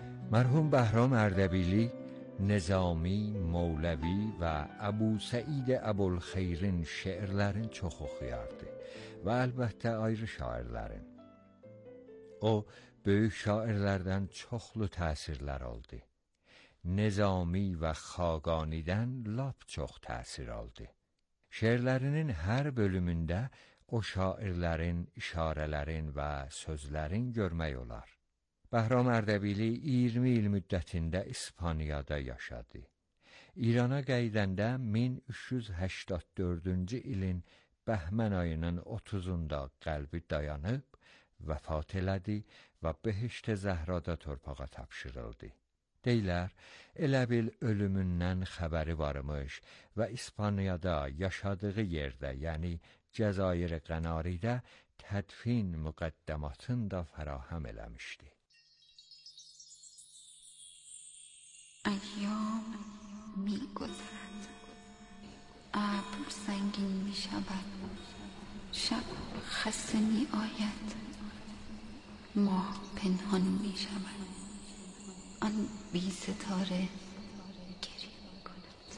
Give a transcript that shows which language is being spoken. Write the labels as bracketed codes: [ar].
[az] مرحوم بهرام اردبیلی نظامی، مولوی و ابو سعید ابوالخیرین شعرلرین چوخ اخیارده و البته ایری شاعرلرین. او بیوک شاعرلردن چوخلو تاثیرلر آلدی. نظامی و خاگانیدن لاب چوخ تاثیر آلدی. شعرلرینین هر بولومونده او شاعرلرین، اشارلرین و سوزلرین گرمی اولار. Bəhram Ərdəbili 20 il müddətində İspaniyada yaşadı. İrana qayıdəndə 1384-cü ilin Bəhmən ayının 30-unda qəlbi dayanıb, vəfat elədi və Behişt-i Zəhrada torpağa tapşırıldı. Deyilər, elə bil ölümündən xəbəri varmış və İspaniyada yaşadığı yerdə, yəni Cəzayir-i Qənaridə tədfin müqəddəmatını da fərahəm eləmişdi. [fa] ایام می گذرد، ابر سنگین می شود، شب خسته می آید، ماه پنهان می شود، آن بی ستاره گریه می کند.